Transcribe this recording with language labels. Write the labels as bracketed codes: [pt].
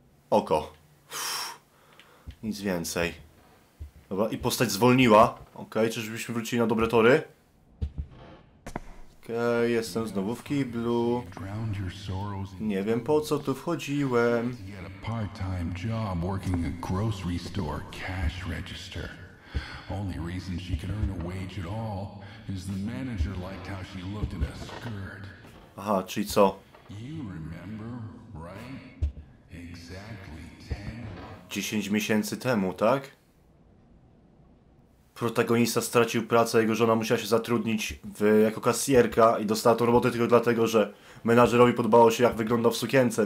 [pl] Oko. Nic więcej. Dobra, i postać zwolniła. Okej, okay, czyżbyśmy wrócili na dobre tory? Okej, okay, jestem znowu w kiblu. Nie wiem, po co tu wchodziłem. [en] Part-time job working a grocery store cash register. Only reason she could earn a wage at all is the manager liked how she looked at a skirt. [pl] Aha, czyli co? [en] You remember, right? Exactly [pl] 10 miesięcy temu, tak? Protagonista stracił pracę, jego żona musiała się zatrudnić jako kasjerka i dostała tą robotę tylko dlatego, że menadżerowi podobało się, jak wygląda w sukience.